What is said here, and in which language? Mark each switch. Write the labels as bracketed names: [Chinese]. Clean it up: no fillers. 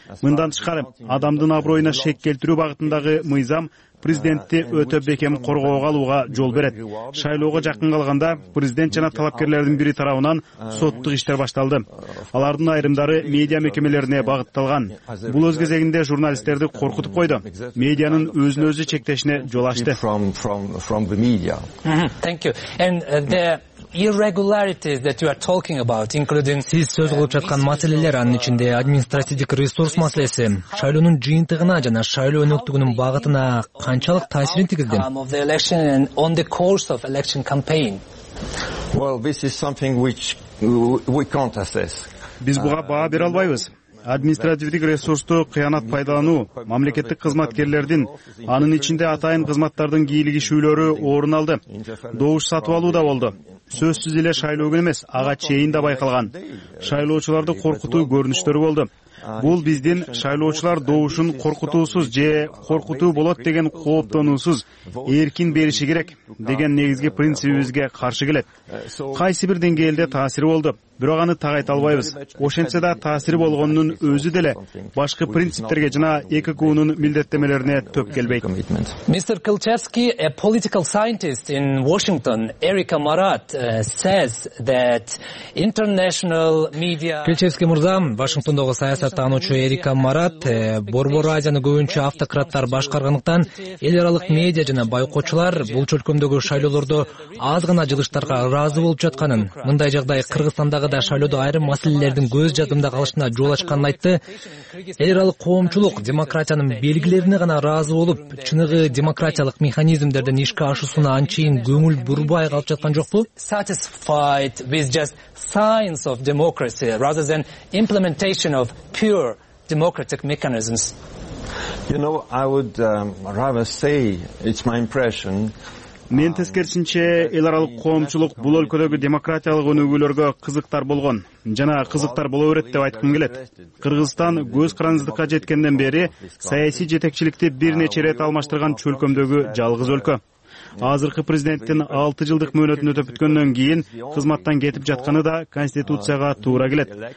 [Kyrgyz] Мындан тышкары адамдын аброюна шек келтирүү багытындагы мыйзам президентти өтө бекем коргоого алууга жол берет. Шайлоого жакын калганда президент жана талапкерлердин бири тарабынан соттук иштер башталды. Алардын айрымдары медиа мекемелерине багытталган. Бул өз кезегинде журналисттерди коркутуп койду. Медианын өзүн өзү чектешине жол ачты. [English] Thank you. And there irregularities that you are talking about, including [Kyrgyz] сиз сөз кылып жаткан маселелер, анын ичинде административдик ресурс маселеси шайлоонун жыйынтыгына жана шайлоо өнөктүгүнүн багытына канчалык таасирин тийгизди? [English] On the course of election campaign. Well, this is something which we can't assess. [Kyrgyz] Биз буга баа бере албайбыз. Административдик ресурсту кыянат пайдалануу, мамлекеттик кызматкерлердин, анын ичинде атайын кызматтардын кийлигишүүлөрү орун алды. Добуш сатып алуу да болду. сөзсүз эле шайлоо күнү эмес, ага чейин да байкалган. Шайлоочуларды коркутуу көрүнүштөрү болду. Бул биздин шайлоочулар добушун коркутуусуз же коркутуу болот деген кооптонуусуз эркин бериши керек деген негизги принцибибизге каршы келет. Кайсы бир деңгээлде таасири болду, бирок аны так айта албайбыз. Ошентсе да таасири болгонунун өзү деле башкы принциптерге жана ЭККУ-нун милдеттемелерине төп келбейт. [English] Mr. Kilchevsky, a political scientist in Washington, Erica Marat, says that international media... [Kyrgyz] Kilchevsky мырзам, Вашингтондогу саясаттануучу Эрика Марат, Борбор Азияны көбүнчө автократтар башкаргандыктан, эл аралык медиа жана байкоочулар бул чөлкөмдөгү шайлоолордо аз гана жылыштарга ыраазы болуп жатканын, мындай жагдай Кыргызстанда да шайлоодо айрым маселелердин көз жадымда калышына жол ачканын айтты. Эл аралык коомчулук демократиянын белгилерине гана ыраазы болуп, чыныгы демократиялык механизмдердин ишке ашуусуна анчейин көңүл бурбай калып жаткан жокпу? [English] Satisfied with just signs of democracy rather than implementation of pure democratic mechanisms. You know, I would rather say it's my impression. [Kyrgyz] Мен тескерисинче эл аралык коомчулук бул өлкөдөгү демократиялык өнүгүүлөргө кызыктар болгон жана кызыктар боло берет деп айткым келет. Кыргызстан көз караңгыздыкка жеткенден бери саясий жетекчиликти бир нече ирет алмаштырган чөлкөмдөгү жалгыз өлкө. Азыркы президенттин 6 жылдык мөөнөтүн өтөп бүткөндөн кийин кызматтан кетип жатканы да конституцияга туура келет.